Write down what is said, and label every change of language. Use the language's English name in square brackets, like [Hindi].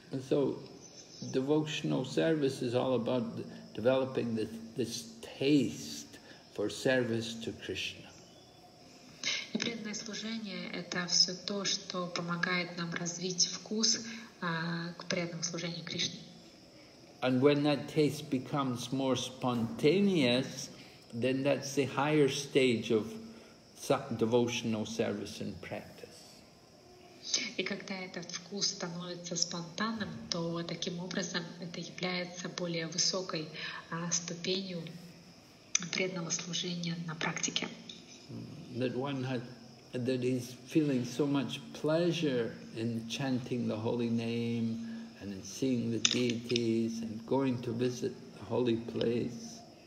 [English] So, devotional service is all about developing this taste for service to Krishna. [Russian] И преданное служение – это все то, что помогает нам развить вкус к преданному служению Кришне. [English] And when that taste becomes more spontaneous, then that's the higher stage of devotional service and practice. [Russian] И когда этот вкус становится спонтанным, то таким образом это является более высокой ступенью преданного служения на практике. [English] That he's feeling so much pleasure in chanting the holy name, and seeing the deities, and going to visit the holy place.